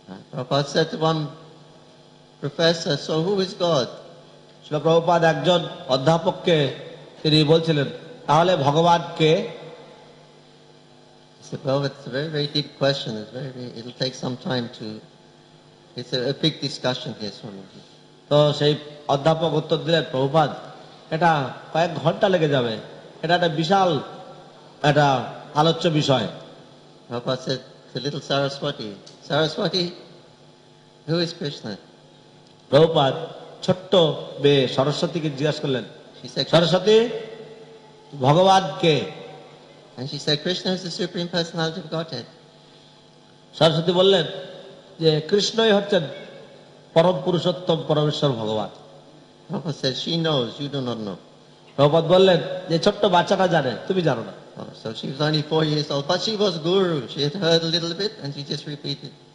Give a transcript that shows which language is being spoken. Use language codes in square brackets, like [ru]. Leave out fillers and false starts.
[en] Prabhupada said to one professor, so who is God? [bn] শিল প্রভুপাদ একজন অধ্যাপককে তিনি বলছিলেন, তাহলে ভগবান কে? [en] It's a very, very deep question. It'll take some time to... It's a big discussion here, Swamiji. [bn] তো সেই অধ্যাপক উত্তর দিলেন, প্রভুপাদ এটা কয়েক ঘন্টা লেগে যাবে, এটা একটা বিশাল একটা আলোচ্য বিষয়। [en] Prabhupada said to little Saraswati, Saraswati, who is Krishna? [bn] Prabhupada ছোট্ট মেয়ে সরস্বতীকে জিজ্ঞাসা করলেন, সরস্বতী ভগবান কে? [en] And she said, Krishna is the supreme personality of Godhead. [bn] Saraswati বললেন যে কৃষ্ণই হচ্ছেন পরম পুরুষোত্তম পরমেশ্বর ভগবান। [en] Prabhupada said, she knows, you do not know. [bn] Prabhupada বললেন যে ছোট্ট বাচ্চাটা জানে, তুমি জানো না। [en] So she was only 4 years old, but she was guru. She had heard a little bit and she just repeated.